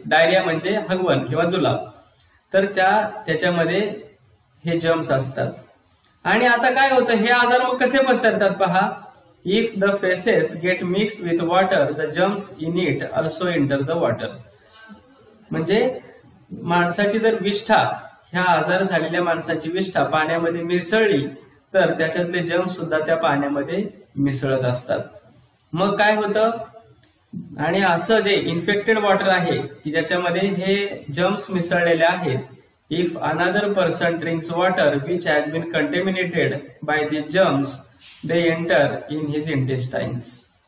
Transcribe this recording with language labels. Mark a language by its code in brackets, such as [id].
[mr] Diarrhoea म्हणजे हगवण किंवा जुलाब. तर त्याच्यामध्ये हे जर्म्स असतात. आणि आता काय होतं, हे आजार मग कसे पसरतात पहा. [en] If the faeces get mix with water, the germs in it also enter the water. [mr] म्हणजे माणसाची जर विष्ठा, ह्या आजार झालेल्या माणसाची विष्ठा पाण्यामध्ये मिसळली, तर त्याच्यातले जर्म्स सुद्धा त्या पाण्यामध्ये मिसळत असतात. मग काय होतं, आणि असं जे इन्फेक्टेड वॉटर आहे की ज्याच्यामध्ये हे जर्म्स मिसळलेले आहेत, [en] If another person drinks water which has been contaminated by the germs, they enter in his intestines.